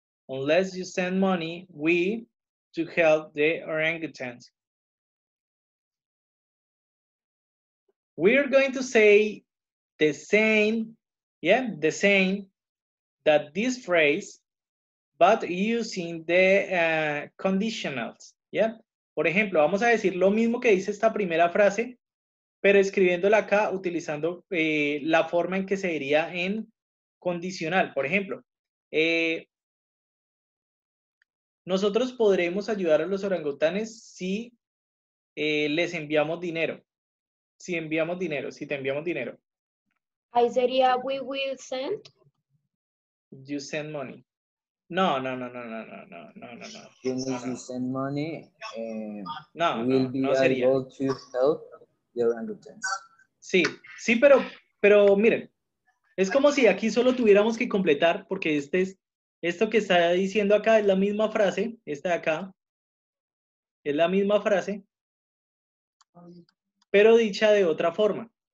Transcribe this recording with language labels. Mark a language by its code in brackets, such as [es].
[en] Unless you send money, we to help the orangutans. We're going to say the same that this phrase, but using the conditionals. Yeah. [es] Por ejemplo, vamos a decir lo mismo que dice esta primera frase, pero escribiéndola acá utilizando la forma en que se diría en condicional. Por ejemplo, nosotros podremos ayudar a los orangutanes si les enviamos dinero. Si enviamos dinero, si te enviamos dinero. Ahí sería, [en] we will send. You send money. No. If you send money, we'll be able to help the orangutans. [es] Sí, sí, pero miren, es como si aquí solo tuviéramos que completar, porque este es, esto que está diciendo acá es la misma frase, esta de acá, es la misma frase, pero dicha de otra forma.